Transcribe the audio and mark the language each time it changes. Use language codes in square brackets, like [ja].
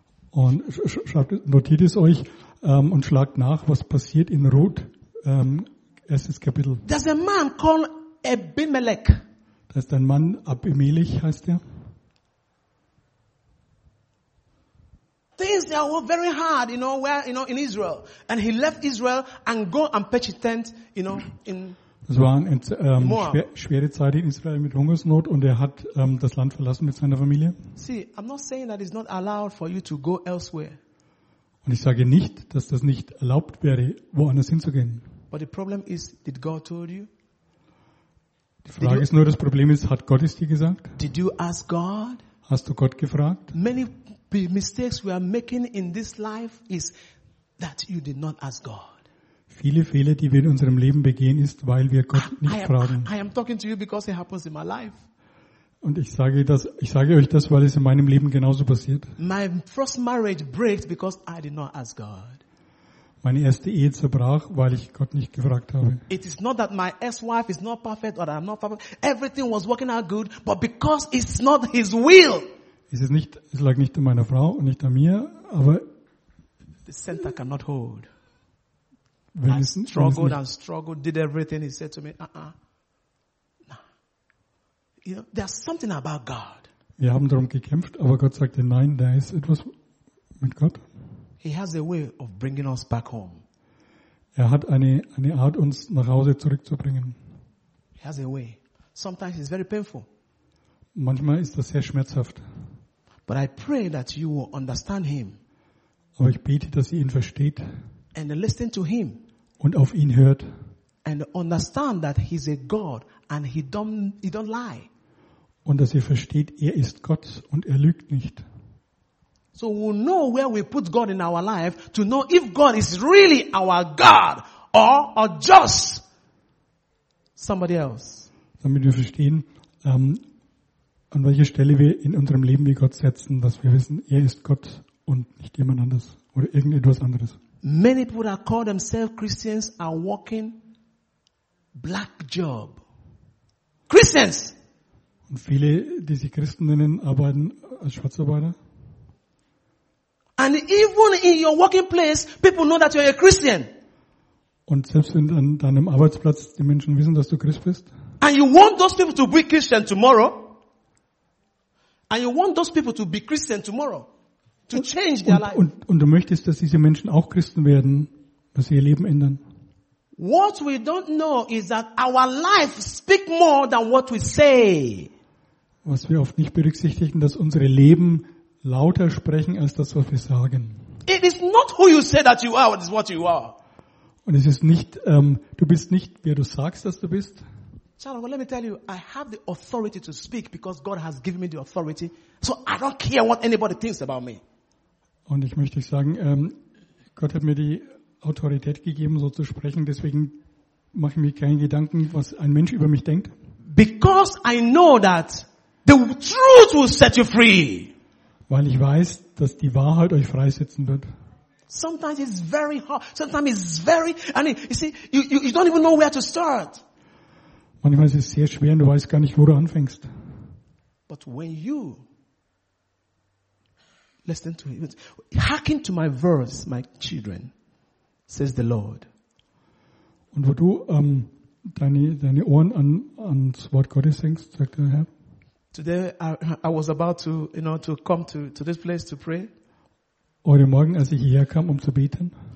[de] Und notiert es euch und schlagt nach, was passiert in Ruth 1. Erstes Kapitel. [en] There's a man called Abimelech. [de] Da ist ein Mann, Abimelech heißt er. [en] Things are very hard, you know, where, you know, in Israel. And he left Israel and go and pitch a tent, you know, in [de] Moab. Es war eine schwere Zeit in Israel mit Hungersnot und er hat das Land verlassen mit seiner Familie. [en] See, I'm not saying that it's not allowed for you to go elsewhere. [de] Und ich sage nicht, dass das nicht erlaubt wäre, woanders hinzugehen. [en] But the problem is, did God told you? [de] Die Frage ist nur, das Problem ist, hat Gott es dir gesagt? [en] Did you ask God? [de] Hast du Gott gefragt? [en] Many the mistakes we are making in this life is that you did not ask God. [de] Viele Fehler, die wir in unserem Leben begehen, ist, weil wir Gott nicht fragen. [en] I am talking to you because it happens in my life. [de] Und ich sage euch das, weil es in meinem Leben genauso passiert. [en] My first marriage breaks because I did not ask God. [de] Meine erste Ehe zerbrach, weil ich Gott nicht gefragt habe. [en] It is not that my ex-wife is not perfect or I'm not perfect. Everything was working out good, but because it's not his will. [de] Es lag nicht an meiner Frau und nicht an mir, aber [en] the center cannot hold. I struggled, did everything he said to me. Nah. You know, there's something about God. [de] Wir haben darum gekämpft, aber Gott sagte nein, da ist etwas mit Gott. [en] He has a way of bringing us back home. [de] Er hat eine Art, uns nach Hause zurückzubringen. [en] He has a way. Sometimes it's very painful. [de] Manchmal ist das sehr schmerzhaft. [en] But I pray that you will understand him. [de] Aber ich bete, dass ihr ihn versteht. [en] And listen to him. [de] Und auf ihn hört. [en] And understand that he's a God and he don't lie. [de] Und dass ihr versteht, er ist Gott und er lügt nicht. [en] So we know where we put God in our life to know if God is really our God or just somebody else. [de] Damit wir verstehen, an welcher Stelle wir in unserem Leben wie Gott setzen, dass wir wissen, er ist Gott und nicht jemand anders oder irgendetwas anderes. [en] Many people that call themselves Christians are working black job. Christians! [de] Und viele, die sich Christen nennen, arbeiten als Schwarzarbeiter. [en] And even in your working place, people know that you're a Christian. [de] Und selbst wenn an deinem Arbeitsplatz die Menschen wissen, dass du Christ bist. [en] And you want those people to be Christian tomorrow. And you want those people to be Christian tomorrow. To change their life. [de] Und du möchtest, dass diese Menschen auch Christen werden, dass sie ihr Leben ändern. [en] What we don't know is that our life speaks more than what we say. [de] Was wir oft nicht berücksichtigen, dass unsere Leben lauter sprechen als das, was wir sagen. [en] It is not who you say that you are, it is what you are. [de] Und es ist nicht, du bist nicht, wer du sagst, dass du bist. [en] Charlie, well, let me tell you, I have the authority to speak because God has given me the authority. So I don't care what anybody thinks about me. [de] Und ich möchte sagen, Gott hat mir die Autorität gegeben, so zu sprechen. Deswegen mache ich mir keine Gedanken, was ein Mensch über mich denkt. [en] Because I know that the truth will set you free. [de] Weil ich weiß, dass die Wahrheit euch freisetzen wird. [en] Sometimes it's very hard. Sometimes it's very, I mean, you see, you don't even know where to start. [de] Manchmal ist es sehr schwer und du weißt gar nicht, wo du anfängst. [en] But when you listen to it, hearken to my voice, my children, says the Lord. [de] Und wo du deine Ohren ans Wort Gottes hängst, sagt der Herr. [en] Today I was about to, you know, to come to this place to pray. [de] Heute Morgen, als ich hierher kam, um zu beten.